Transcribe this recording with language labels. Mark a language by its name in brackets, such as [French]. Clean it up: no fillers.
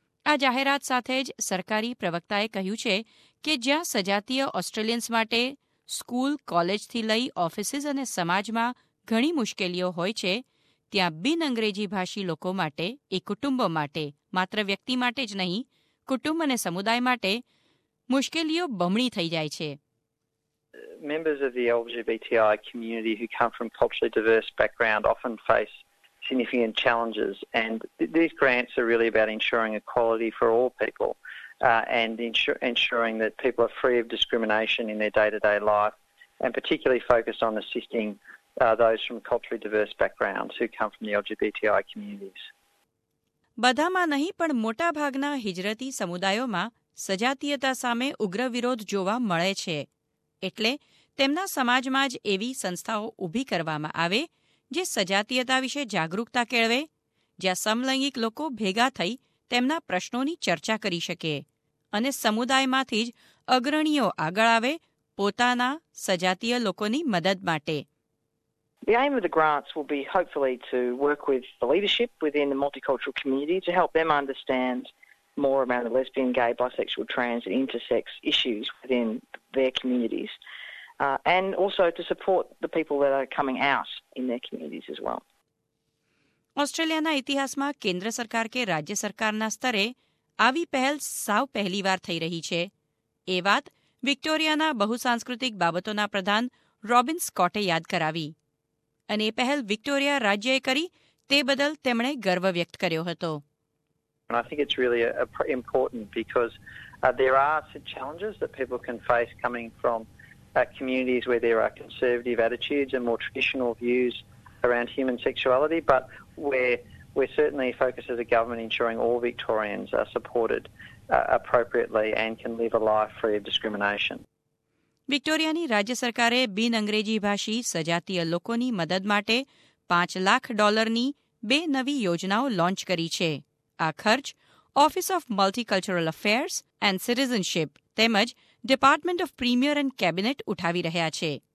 [Gujarati] આ જાહેરાત સાથે જ સરકારી પ્રવક્તાએ કહ્યું છે કે જ્યાં સજાતીય ઓસ્ટ્રેલિયન્સ માટે સ્કૂલ, કોલેજથી લઈ ઓફિસીસ અને સમાજમાં ઘણી મુશ્કેલીઓ હોય છે, ત્યાં બિન અંગ્રેજી ભાષી લોકો માટે એ કુટુંબો માટે, માત્ર વ્યક્તિ માટે જ નહીં કુટુંબ અને સમુદાય માટે, મુશ્કેલીઓ બમણી થઈ જાય છે. [English] Members of the LGBTI community who come from culturally diverse background often face significant challenges, and these grants are really about ensuring equality for all people and ensuring that people are free of discrimination in their day-to-day life, and particularly focused on assisting those from culturally diverse backgrounds who come from the LGBTI communities. [Gujarati] બધામાં નહીં પણ મોટા ભાગના હિજરતી સમુદાયોમાં સજાતીયતા સામે ઉગ્ર વિરોધ જોવા મળે છે, એટલે તેમના સમાજમાં જ એવી સંસ્થાઓ ઊભી કરવામાં આવે જે સજાતીયતા વિશે જાગૃતતા કેળવે, જ્યાં સમલૈંગિક લોકો ભેગા થઈ તેમના પ્રશ્નોની ચર્ચા કરી શકે અને સમુદાયમાંથી જ અગ્રણીઓ આગળ આવે પોતાના સજાતીય લોકોની મદદ માટે. [English] The aim of the grants will be hopefully to work with the leadership within the multicultural community to help them understand more about the lesbian, gay, bisexual, trans and intersex issues within their communities and also to support the people that are coming out in their communities as well. [Gujarati] ઓસ્ટ્રેલિયાના ઇતિહાસમાં કેન્દ્ર સરકાર કે રાજ્ય સરકારના સ્તરે આવી પહેલ સાવ પહેલીવાર થઈ રહી છે, એ વાત વિક્ટોરિયાના બહુસાંસ્કૃતિક બાબતોના પ્રધાન રોબિન સ્કોટે યાદ કરાવી, અને પહેલ વિક્ટોરિયા રાજ્યએ કરી તે બદલ તેમણે ગર્વ વ્યક્ત કર્યો હતો. [English] And I think it's really important because there are some challenges that people can face coming from communities where there are conservative attitudes and more traditional views around human sexuality, but we're certainly focused as a government ensuring all Victorians are supported appropriately and can live a life free of discrimination. [Gujarati] વિક્ટોરિયાની રાજ્ય સરકારે બિન અંગ્રેજી ભાષી સજાતીય લોકોની મદદ માટે $5,00,000ની બે નવી યોજનાઓ લોન્ચ કરી છે. આ ખર્ચ office of multicultural affairs and citizenship તેમજ department of premier and cabinet ઉઠાવી રહ્યા છે.